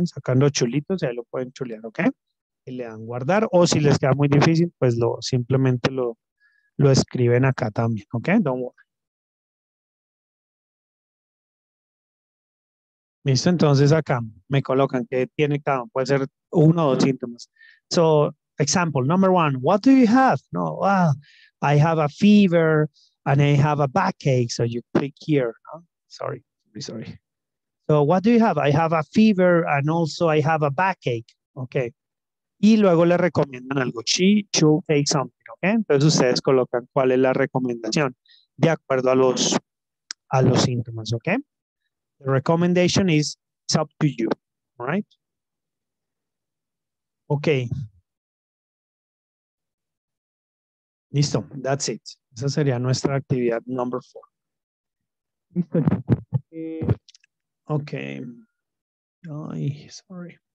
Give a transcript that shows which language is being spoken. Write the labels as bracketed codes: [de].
[es] Sacando chulitos y ahí lo pueden chulear, ¿ok? Y le dan guardar, o si les queda muy difícil, pues simplemente lo escriben acá también, ¿ok? [en] Don't worry. [es] Listo, entonces acá me colocan que tiene cada uno, puede ser uno o dos síntomas. [en] So, example, number one, what do you have? No, well, I have a fever and I have a backache, so you click here. No? Sorry, sorry. So, what do you have? I have a fever and also I have a backache. [es] Ok. Y luego le recomiendan algo, [en] she should take something, [es] ok. Entonces ustedes colocan cuál es la recomendación de acuerdo a los síntomas, ok. [en] The recommendation is it's up to you, right? Okay. [es] Listo, [en] that's it. [es] Esa sería nuestra actividad [en] number four. Listo. Okay. Ay, sorry.